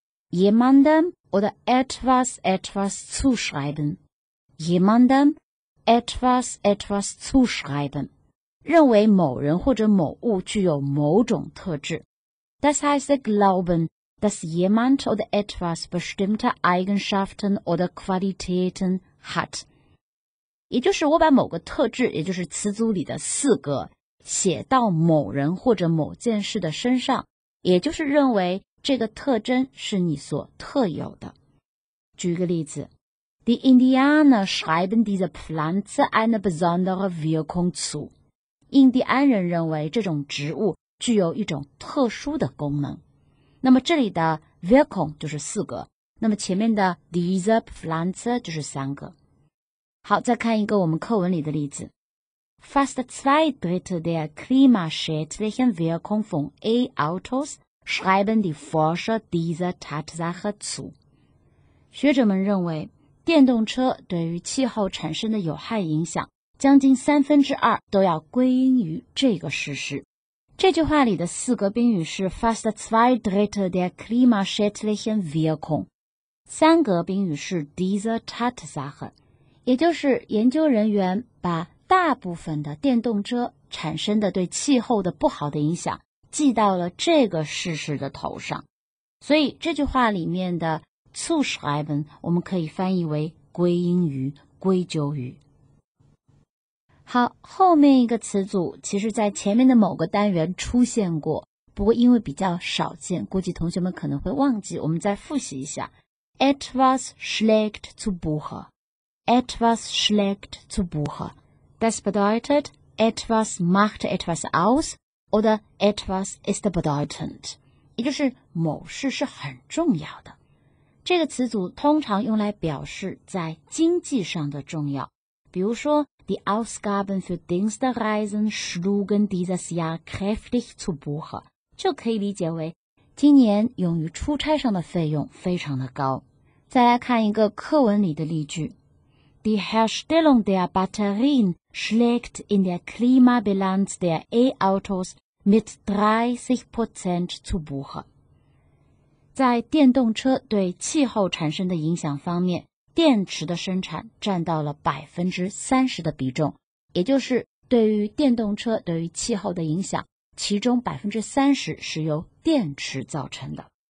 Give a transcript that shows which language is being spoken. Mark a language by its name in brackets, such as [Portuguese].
[German] Jemandem oder etwas zuschreiben. Jemandem etwas zuschreiben. [Chinese] 认为某人或者某物具有某种特质。 [German] Das heißt, glauben, dass jemand oder etwas bestimmte Eigenschaften oder Qualitäten hat. [Chinese] 也就是我把某个特质，也就是词组里的四个，写到某人或者某件事的身上，也就是认为这个特征是你所特有的。举个例子 [German] ，Die Indianer schreiben diese Pflanze eine besondere Wirkung zu。 [Chinese] 印第安人认为这种植物具有一种特殊的功能。那么这里的 Wirkung 就是四个，那么前面的 diese Pflanze 就是三个。好，再看一个我们课文里的例子。 [German] Fast zwei Drittel der klimaschädlichen Wirkung von E-Autos schreiben die Forscher diese Tatsache zu. [Chinese] 学者们认为，电动车对于气候产生的有害影响，将近三分之二都要归因于这个事实。这句话里的四个宾语是 [German] Fast zwei Drittel der klimaschädlichen Wirkung， [Chinese] 三个宾语是 [German] diese Tatsache。 [Chinese] 也就是研究人员把大部分的电动车产生的对气候的不好的影响记到了这个事实的头上。所以这句话里面的 zuschreiben 我们可以翻译为归因于、归咎于。好，后面一个词组其实在前面的某个单元出现过，不过因为比较少见，估计同学们可能会忘记，我们再复习一下。 [German] Etwas schlägt zu Buche。 Etwas schlägt zu Buche. Das bedeutet, etwas macht etwas aus oder etwas ist bedeutend. [Chinese] 也就是某事是很重要的。这个词组通常用来表示在经济上的重要。比如说 [German] ,die Ausgaben für Dienstreisen schlugen dieses Jahr kräftig zu Buche. [Chinese] 就可以理解为今年用于出差上的费用非常的高。再来看一个课文里的例句。 [German] Die Herstellung der Batterien schlägt in der Klimabilanz der E-Autos mit 30% zu Buche. [Chinese] 在电动车对气候产生的影响方面，电池的生产占到了 30% 的比重，也就是对于电动车对于气候的影响，其中 30% 是由电池造成的。